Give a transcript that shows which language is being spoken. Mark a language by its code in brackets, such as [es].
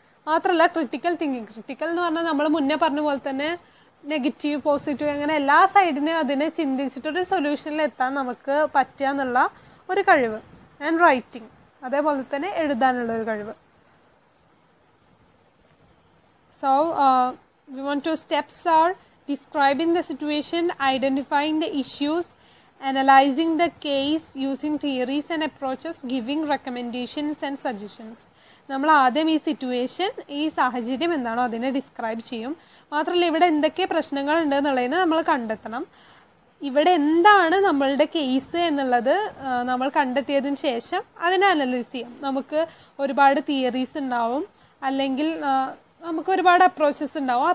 [ml] മാത്രമല്ല critical thinking, critical എന്ന് പറഞ്ഞാൽ നമ്മൾ മുന്നേ പറഞ്ഞ പോലെ തന്നെ നെഗറ്റീവ്, പോസിറ്റീവ് അങ്ങനെ എല്ലാ സൈഡിനും അതിനെ ചിന്തിച്ചിട്ടൊരു സൊല്യൂഷനിൽ എത്താൻ നമുക്ക് പറ്റുക എന്നുള്ള ഒരു കഴിവ്. ആൻഡ് റൈറ്റിംഗ്, അതേപോലെ തന്നെ എഴുതാനുള്ള ഒരു കഴിവ്. [en] So, we want to steps are describing the situation, identifying the issues, analyzing the case using theories and approaches, giving recommendations and suggestions. [ml] നമ്മൾ ആദ്യം ഈ സിറ്റുവേഷൻ, ഈ സാഹചര്യം എന്താണോ അതിനെ ഡിസ്ക്രൈബ് ചെയ്യും. മാത്രമല്ല ഇവിടെ എന്തൊക്കെ പ്രശ്നങ്ങൾ ഉണ്ട് എന്നുള്ളതിന് നമ്മൾ കണ്ടെത്തണം. ഇവിടെ എന്താണ് നമ്മളുടെ കേസ് എന്നുള്ളത് നമ്മൾ കണ്ടെത്തിയതിന് ശേഷം അതിനെ അനലൈസ് ചെയ്യാം. നമുക്ക് ഒരുപാട് തിയറീസ് ഉണ്ടാവും, അല്ലെങ്കിൽ നമുക്ക് ഒരുപാട് അപ്രോച്ചസ് ഉണ്ടാവും.